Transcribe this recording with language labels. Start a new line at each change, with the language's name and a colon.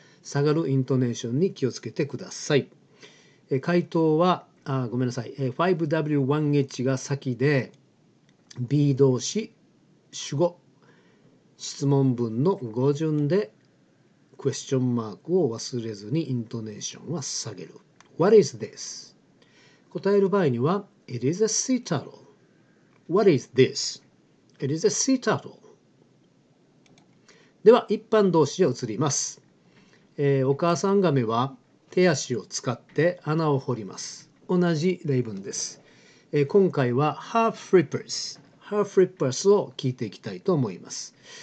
Japanese: 下がるイントネーションに気をつけてください。回答は、ごめんなさい。 5W1H が先で、B 動詞、主語、質問文の語順で、クエスチョンマークを忘れずにイントネーションは下げる。
English: What is this?
Japanese: 答える場合には、
English: It is a sea turtle. What is this? It is a sea turtle.
Japanese: では、一般動詞へ移ります。お母さんガメは手足を使って穴を掘ります。同じ例文です。今回は
English: half flippers
Japanese: を聞いていきたいと思います。